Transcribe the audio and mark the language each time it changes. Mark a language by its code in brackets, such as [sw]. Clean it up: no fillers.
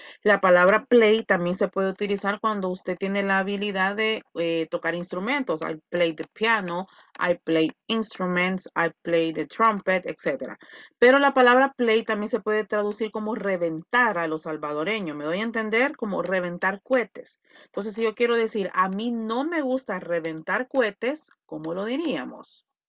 [es] La palabra play también se puede utilizar cuando usted tiene la habilidad de tocar instrumentos. [en] I play the piano, I play instruments, I play the trumpet, etc. [es] Pero la palabra play también se puede traducir como reventar a los salvadoreños. ¿Me doy a entender? Como reventar cohetes. Entonces, si yo quiero decir, a mí no me gusta reventar cohetes, ¿cómo lo diríamos?